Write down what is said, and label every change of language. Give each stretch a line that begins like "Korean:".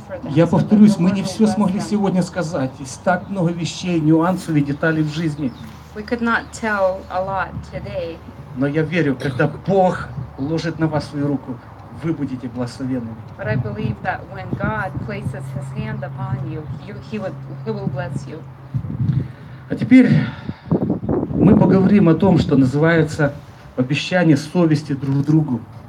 Russian: Я повторюсь, мы не все смогли сегодня сказать. Есть так много вещей, нюансов и деталей в жизни. Но я верю, когда Бог положит на вас свою руку, вы будете благословенными.
English: But I believe that when God places His hand upon you, He will bless you.
Russian: А теперь мы поговорим о том, что называется обещание совести друг другу.